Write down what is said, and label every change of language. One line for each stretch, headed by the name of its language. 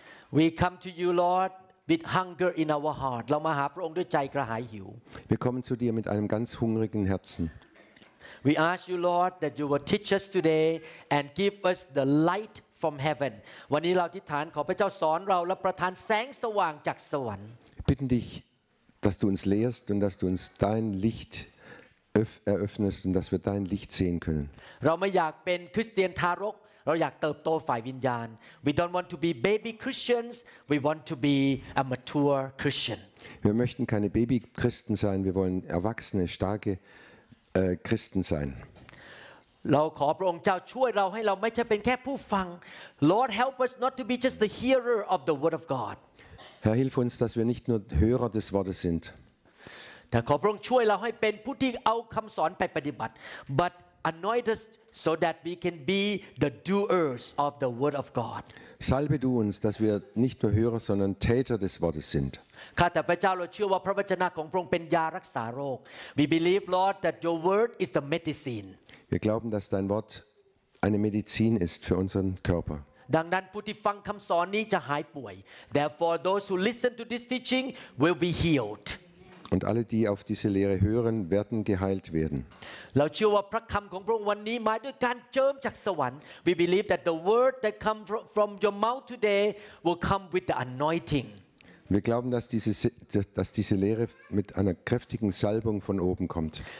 English: We come to you, Lord, with hunger in our heart.
Thai: เรามาหาพระองค์ด้วยใจกระหายหิว
German: Wir kommen zu dir mit einem ganz hungrigen Herzen.
English: We ask you, Lord, that you will teach us today and give us the light from heaven.
Thai: วันนี้เราอธิษฐานขอพระเจ้าสอนเราและประทานแสงสว่างจากสวรรค์
German: Bitten dich, dass du uns lehrst und dass du uns dein Lichteröffnest und dass wir dein Licht sehen können.
Thai: เราไม่อยากเป็นคริสเตียนทารกเราอยากเติบโตฝ่ายวิญญาณ
English: We don't want to be baby Christians. We want to be a mature Christian.
German: Wir möchten keine Baby Christen sein. Wir wollen erwachsene, starke Christen sein.
Thai: เราขอพระองค์เจ้าช่วยเราให้เราไม่ใช่เป็นแค่ผู้ฟัง
English: Lord, help us not to be just the hearer of the word of God.
German: Herr, hilf uns, dass wir nicht nur Hörer des Wortes sind.
Thai: แต่ขอพระองค์ช่วยเราให้เป็นผู้ที่เอาคำสอนไปปฏิบัติ
English: but anoint us so that we can be the doers of the word of God
German: Salbe du uns dass wir nicht nur Hörer sondern Täter des Wortes sind
Thai: ข้าแต่พระเจ้าเราเชื่อว่าพระวจนะของพระองค์เป็นยารักษาโรค
English: We believe Lord that your word is the medicine
German: Wir glauben dass dein Wort eine Medizin ist für unseren Körper
Thai: ดังนั้นผู้ที่ฟังคำสอนนี้จะหายป่วย
English: Therefore those who listen to this teaching will be healed
German: Und alle, die auf diese Lehre hören, werden geheilt werden. Wir glauben, dass diese Lehre mit einer kräftigen Salbung von oben kommt.